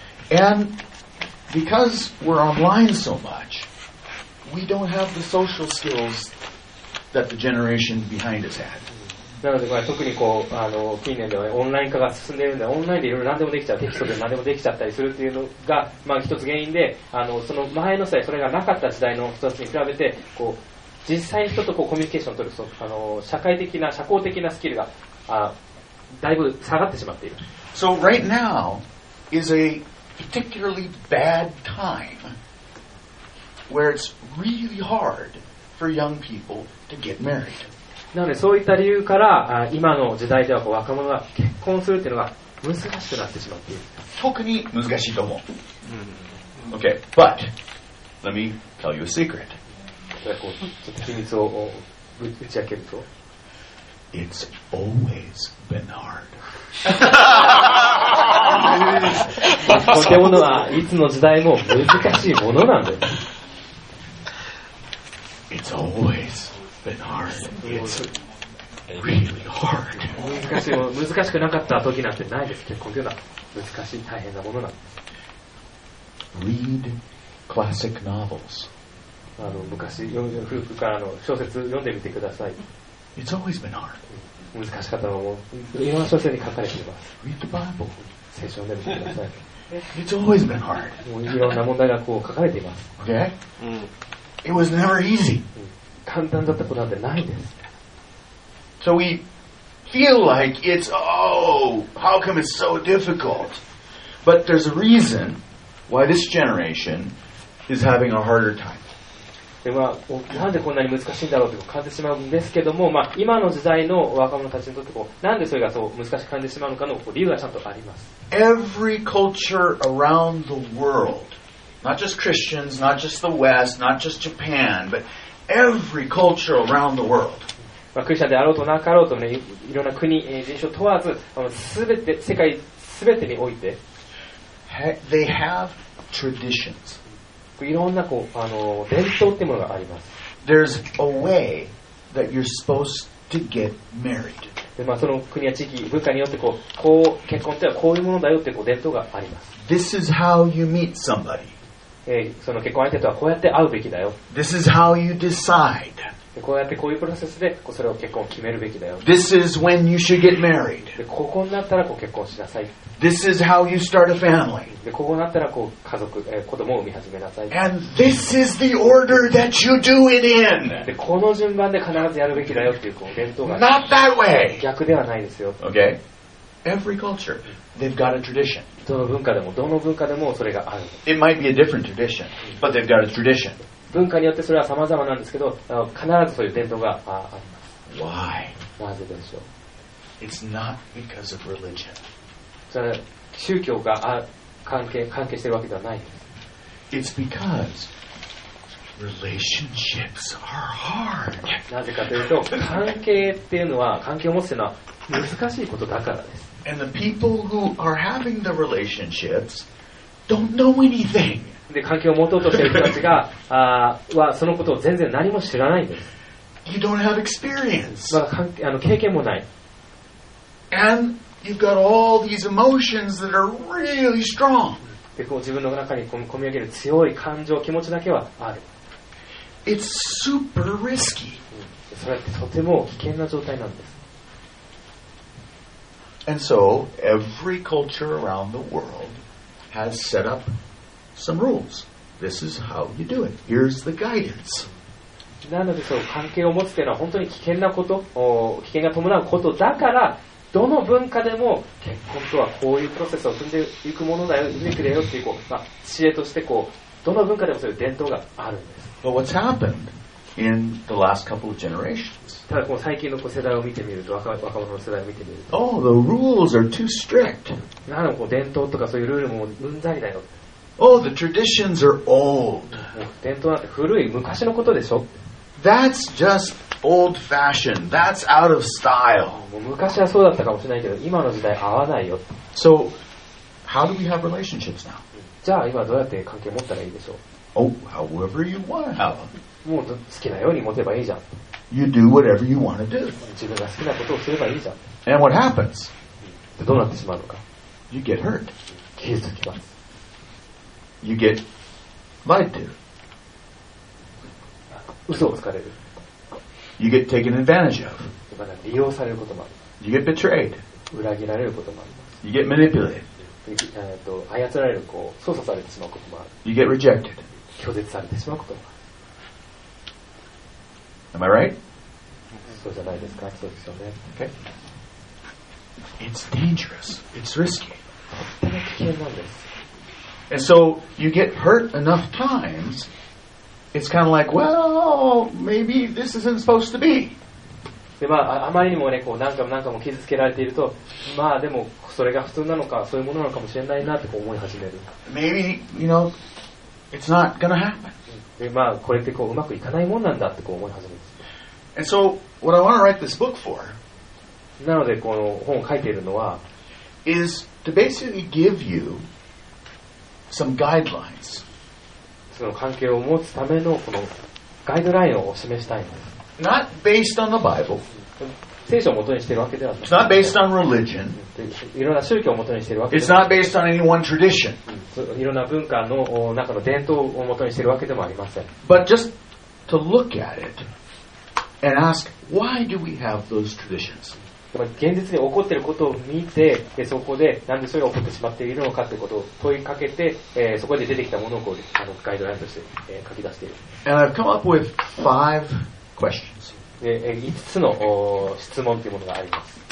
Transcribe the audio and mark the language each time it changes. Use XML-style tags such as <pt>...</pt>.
<en>And because we're online so much, we don't have the social skills that the generation behind us had.</en> <ja>なので、まあ、特にこう近年では、ね、オンライン化が進んでいるので、オンラインでいろいろ何でもできちゃう、テキストで何でもできちゃったりするっていうのが、まあ、一つ原因で、その前の際、それがなかった時代の人たちに比べて、こう実際に人とこうコミュニケーションを取る、社会的な、社交的なスキルがだいぶ下がってしまっている。</ja> <en>So right now is a particularly bad time where it's really hard for young people to get married.</en> <ja>なのでそういった理由から今の時代ではこう若者が結婚するっていうのが難しくなってしまっている。特に難しいと思う。</ja> <en>Okay, but let me tell you a secret.</en> <ja>ちょっと秘密を打ち明けると。</ja> <en>It's always been hard.</en> <ja>ポケモンはいつの時代も難しいものなんです</ja> <en>。 It's always been hard. It's really hard.</en> <ja>難しくなかった時なんてないです。結婚というのは難しい大変なものなんです。</ja> <en>Read classic novels.</en> <ja>昔古くからの小説読んでみてください。</ja> <en>It's always been hard.</en> <ja>難しかったのも、いろんな書籍に書かれています。</ja> <en>Read the Bible.</en> <ja>聖書を読んでみてください。</ja> <en>It's always been hard.</en> <ja>もういろんな問題がこう書かれています。</ja> <en>Okay? It was never easy.</en> <ja>簡単だったことなんてないです。</ja> <en>So we feel like it's, oh, how come it's so difficult? But there's a reason why this generation is having a harder time.</en> <ja>でまあ、なんでこんなに難しいんだろうと感じてしまうんですけども、まあ、今の時代の若者たちにとってこうなんでそれがそう難しく感じてしまうのかのこう理由がちゃんとあります。</ja> <en>Every culture around the world, not just Christians, not just the West, not just Japan, but every culture around the world、</en> <ja>まあ、クリスチャンであろうとなかろうと、ね、いろんな国、人種問わず、世界すべてにおいて</ja> <en>They have traditions</en> <ja>いろんなこう伝統ってものがあります。</ja> <en>There's a way that you're supposed to get married.</en> <ja>で、まあ、その国や地域、文化によってこう結婚ってはこういうものだよってこう伝統があります。</ja> <en>This is how you meet somebody.</en> <ja>その結婚相手とはこうやって会うべきだよ。</ja> <en>This is how you decide.</en> <ja>でこうやってこういうプロセスでそれを結婚を決めるべきだよ。</ja> <en>This is when you should get married.</en> <ja>でここになったらこう結婚しなさい。</ja> <en>This is how you start a family.</en> <ja>でここになったらこう家族、子供を産み始めなさい。</ja> <en>And this is the order that you do it in.</en> <ja>でこの順番で必ずやるべきだよっていうこう伝統が。</ja> <en>Not that way.</en> <ja>逆ではないですよ。</ja> <en>Okay. Every culture. They've got a tradition.</en> <ja>どの文化でもどの文化でもそれがある。</ja> <en>It might be a different tradition, but they've got a tradition.</en> <ja>文化によってそれは様々なんですけど、必ずそういう伝統があります。</ja> <en>Why?</en> <ja>なぜでしょう。</ja> <en>It's not because of religion.</en> <ja>それ宗教が関係しているわけではないんです。</ja> <en>It's because relationships are hard.</en> <ja>なぜかというと、関係っていうのは関係を持つというのは難しいことだからです。</ja> <en>And the people who are having the relationships don't know anything.</en> <ja>で、関係を持とうとしている人たちが、はそのことを全然何も知らないんです。</ja> <en>You don't have experience.</en> <ja>まだ経験もない。</ja> <en>And you've got all these emotions that are really strong.</en> <ja>で、こう自分の中に込み上げる強い感情、気持ちだけはある。</ja> <en>It's super risky.</en> <ja>それってとても危険な状態なんです。</ja> <en>And so every culture around the world has set up some rules. This is how you do it. Here's the guidance.</en> <ja>なので、その関係を持つというのは本当に危険なこと、危険が伴うことだから、どの文化でも結婚とはこういうプロセスを踏んでいくものだよ、踏んでくれよっていう、知恵としてこうどの文化でもそういう伝統があるんです。</ja> <en>But what's happened in the last couple of generations?</en> <ja>ただこの最近の世代を見てみると若者の世代を見てみると</ja> <en>Oh, the rules are too strict.</en> <ja>なのこう伝統とかそういうルールもうんざりだよ</ja> <en>Oh, the traditions are old.</en> <ja>伝統なんて古い昔のことでしょ</ja> <en>That's just old fashioned. That's out of style.</en> <ja>もう昔はそうだったかもしれないけど今の時代合わないよ</ja> <en>So, how do we have relationships now?</en> <ja>じゃあ今どうやって関係持ったらいいでしょう</ja> <en>Oh, however you want to have them.</en> <ja>もう好きなように持てばいいじゃん</ja> <en>You do whatever you want to do.</en> <ja>自分が好きなことをすればいいじゃん。</ja> <en>And what happens?</en> <ja>でどうなってしまうのか。</ja> <en>You get hurt.</en> <ja>傷つきます。</ja> <en>You get lied to.</en> <ja>嘘をつかれる。</ja> <en>You get taken advantage of.</en> <ja>まだ利用されることもある。</ja> <en>You get betrayed.</en> <ja>裏切られることもあります。</ja> <en>You get manipulated.</en> <ja>操られる、こう操作されてしまうこともある。</ja> <en>You get rejected.</en> <ja>拒絶されてしまうこともある。</ja> <en>Am I right?</en> <ja>そうじゃないですか。そうですよね。</ja> <en>Okay. It's dangerous. It's risky.</en> <ja>とても危険なんです。</ja> <en>And so you get hurt enough times, it's kind of like, well, maybe this isn't supposed to be.</en> <ja>で、あまりにもね、こう何回も傷つけられていると、でもそれが普通なのか、そういうものなのかもしれないなってこう思い始める。</ja> <en>Maybe, you know, it's not gonna happen.</en> <ja>でこれってこううまくいかないもんなんだってこう思い始めます。</ja> <en>And so, what I want to write this book for,</en> <ja>なのでこの本を書いているのは</ja> <en>is to basically give you some guidelines.</en> <ja>その関係を持つためのこのガイドラインを示したいんです。</ja> <en>Not based on the Bible.</en> <ja>聖書を元にしているわけではない。</ja> <en>It's not based on religion.</en> <ja>いろんな宗教を元にしているわけではない。</ja> <en>It's not based on any one tradition.</en> <ja>いろんな文化の中の伝統をもとにしているわけでもありません。</ja> <en>But just to look at it and ask, why do we have those traditions?</en> <ja>現実に起こっていることを見て、でそこでなんでそれが起こってしまっているのかということを問いかけて、そこで出てきたものをこうガイドラインとして、書き出している。</ja> <en>And I've come up with five questions.</en> <ja>で、5つの質問というものがあります。</ja>